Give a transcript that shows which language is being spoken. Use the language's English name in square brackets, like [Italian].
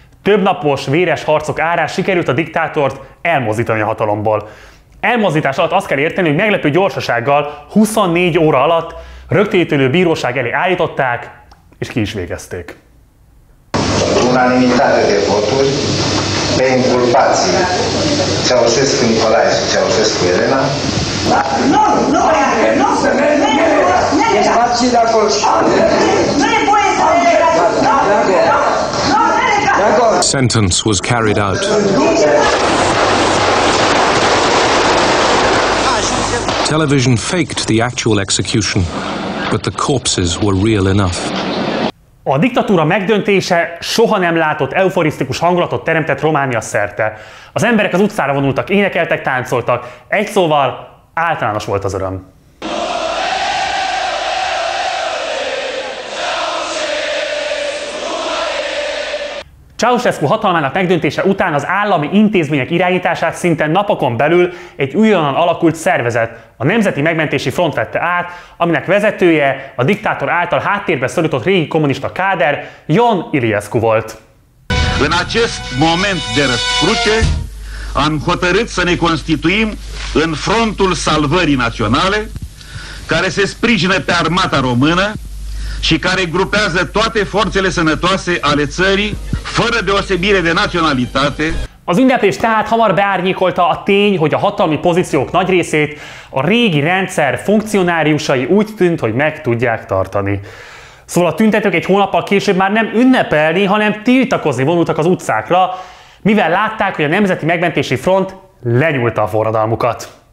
[Hungarian] Többnapos véres harcok árán sikerült a diktátort elmozdítani a hatalomból. Elmozdítás alatt azt kell érteni, hogy meglepő gyorsasággal 24 óra alatt rögtönítőlő bíróság elé állították, és ki is végezték. A Románi mintát ezért volt, hogy [Romanian] Ne inculpați Ceaușescu Nicolae și Ceaușescu Elena. Nu, nu vrea, nu să mergem. Ne faci de acolo. Nu e voie să mergem. Nu, nu. [English] Sentence was carried out. Television faked the actual execution, but the corpses were real enough. [Hungarian] A diktatúra megdöntése soha nem látott euforisztikus hangulatot teremtett Románia szerte. Az emberek az utcára vonultak, énekeltek, táncoltak. Egy szóval, általános volt az öröm. Ceaușescu hatalmának megdöntése után az állami intézmények irányítását szinte napokon belül egy újonnan alakult szervezet, a Nemzeti Megmentési Front vette át, aminek vezetője a diktátor által háttérbe szorított régi kommunista káder Ion Iliescu volt. [Romanian] În acest moment de răscruce am hotărât să ne constituim în Frontul Salvării Naționale, care se sprijină pe armata română și care grupează toate forțele sănătoase ale țării, fără deosebire de naționalitate. [Hungarian] Az ünneplés tehát hamar beárnyékolta a tény, hogy a hatalmi pozíciók nagy részét a régi rendszer funkcionáriusai úgy tűnt, hogy meg tudják tartani. Szóval a tüntetők egy hónappal később már nem ünnepelni, hanem tiltakozni vonultak az utcákra, mivel látták, hogy a Nemzeti Megmentési Front lenyúlta a forradalmukat.